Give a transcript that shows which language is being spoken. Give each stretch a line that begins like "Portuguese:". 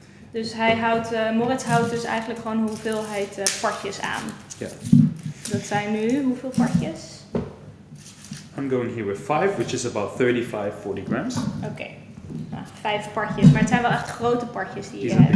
Dutch: Dus hij houdt, Moritz houdt dus eigenlijk gewoon hoeveelheid partjes aan. Ja.
English: Yeah.
Dutch: Dat zijn nu hoeveel partjes?
English: I'm going here with 5, which is about 35, 40 grams.
Dutch: Oké.
English: Okay.
Dutch: Nou, 5 partjes, maar het zijn wel echt grote partjes die je hebt.